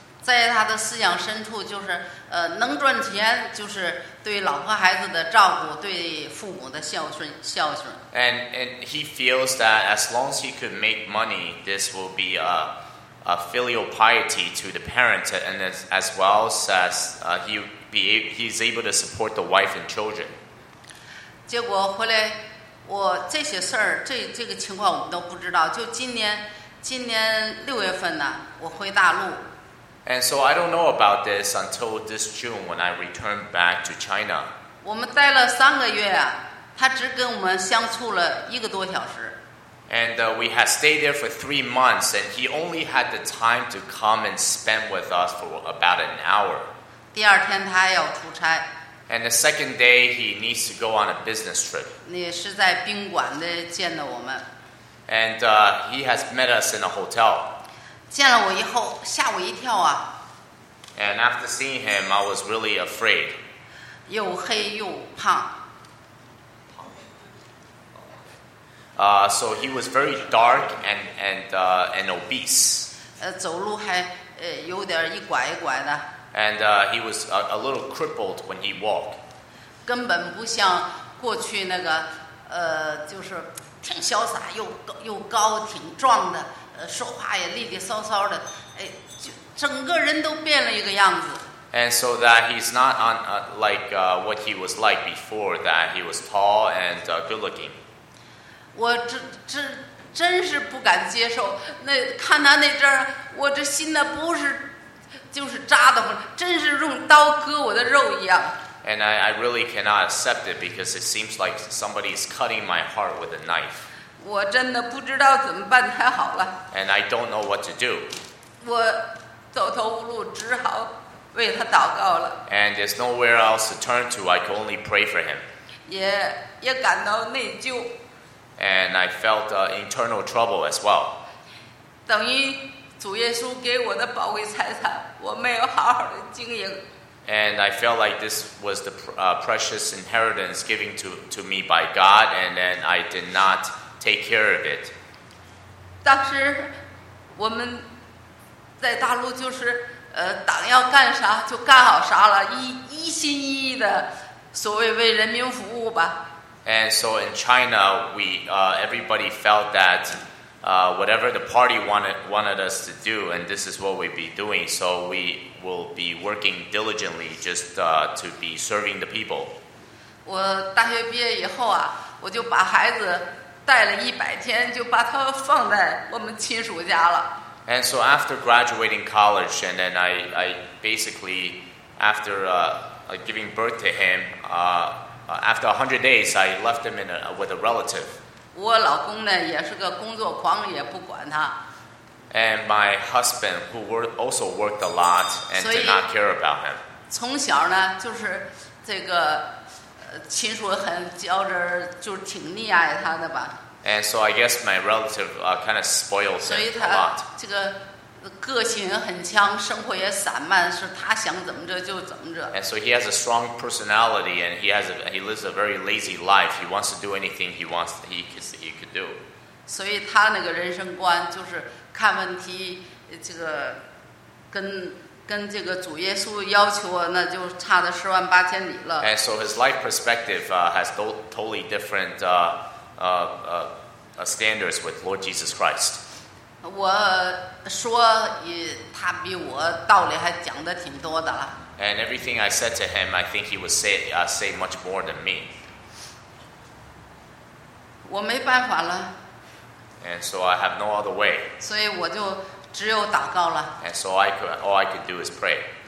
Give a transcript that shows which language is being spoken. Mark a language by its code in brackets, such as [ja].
[zh] 在他的思想深处就是能赚钱就是对老婆孩子的照顾对父母的孝顺 [en] and he feels that as long as he could make money this will be a filial piety to the parents and as well as he's able to support the wife and children [zh] 结果回来我这些事儿这个情况我们都不知道就今年六月份呢我回大陆 [en] And so I don't know about this until this June when I returned back to China. [zh] 我们待了三个月啊，他只跟我们相处了一个多小时。 [en] And we had stayed there for 3 months, and he only had the time to come and spend with us for about an hour. [zh] 第二天他还要出差。 [en] And the second day he needs to go on a business trip. [zh] 你是在宾馆的见的我们。 [en] And he has met us in a hotel. [zh] 见了我以后吓我一跳啊 [en] And after seeing him I was really afraid [zh] 又黑又胖 [en] So he was very dark and obese [zh] 走路还有点一拐一拐的 [en] And he was a little crippled when he walked [zh] 根本不像过去那个就是挺潇洒又高挺壮的说话也利利骚骚的，哎，就整个人都变了一个样子。 [en] And so that he's not on, like what he was like before, that he was tall and good looking. [zh] 我真是不敢接受，那看他那阵儿，我这心呢不是就是扎的慌，真是用刀割我的肉一样。 [en] And I really cannot accept it because it seems like somebody is cutting my heart with a knife. [zh] 我真的不知道怎么办才好了。 [en] And I don't know what to do. [zh] 我走投无路，只好为他祷告了。 [en] And there's nowhere else to turn to. I can only pray for him. [zh] 也感到内疚。 [en] And I felt internal trouble as well. [zh] 等于主耶稣给我的宝贵财产，我没有好好的经营。 [en] And I felt like this was the precious inheritance given to me by God, and then I did not take care of it. [zh] 当时我们在大陆就是党要干啥就干好啥了，一心一意的所谓为人民服务吧。 [en] And so in China, we everybody felt that whatever the party wanted us to do, and this is what we'd be doing. So we will be working diligently just to be serving the people. [zh] 我大学毕业以后啊，我就把孩子带了100天，就把他放在我们亲属家了。 [en] And so after graduating college, and then I basically after giving birth to him, after 100 days, I left him with a relative. [zh] 我老公呢也是个工作狂，也不管他。 [en] And my husband, who also worked a lot and did not care about him. [zh] 从小呢就是这个亲属很较真，就是挺溺爱他的吧。 [en] And so I guess my relative kind of spoils him a lot. [zh] 所以他这个个性很强，生活也散漫，是他想怎么着就怎么着。 [en] And so he has a strong personality, and he lives a very lazy life. He wants to do anything he could do. [zh] 所以他那个人生观就是看问题，这个跟这个主耶稣要求啊，那就差的10万8千里了。 [en] And so his life perspective has totally different standards with Lord Jesus Christ. [zh] 我说也，他比我道理还讲得挺多的了。 [en] And everything I said to him, I think he would say much more than me. [zh] 我没办法了。 [en] And so I have no other way. [zh] 所以我就只有祷告了。 [en] And so all I could do is pray.